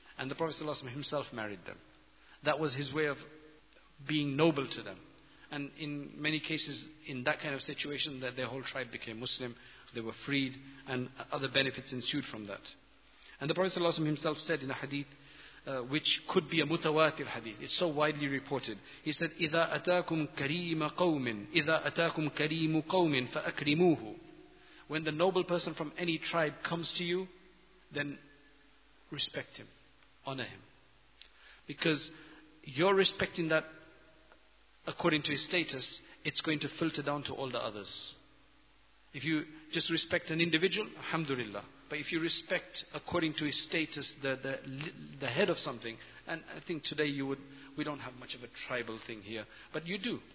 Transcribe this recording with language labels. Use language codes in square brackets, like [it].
[en] And the Prophet ﷺ himself married them. That was his way of being noble to them. And in many cases, in that kind of situation, that their whole tribe became Muslim, they were freed, and other benefits ensued from that. And the Prophet ﷺ himself said in a hadith, which could be a mutawatir hadith. It's so widely reported. He said, [ar] إِذَا أَتَاكُمْ كَرِيمَ قَوْمٍ إِذَا أَتَاكُمْ كَرِيمُ قَوْمٍ فَأَكْرِمُوهُ. [en] When the noble person from any tribe comes to you, then respect him, honor him. Because you're respecting that according to his status, it's going to filter down to all the others. If you just respect an individual, alhamdulillah. But if you respect according to his status, the head of something, and I think today we don't have much of a tribal thing here, but you do.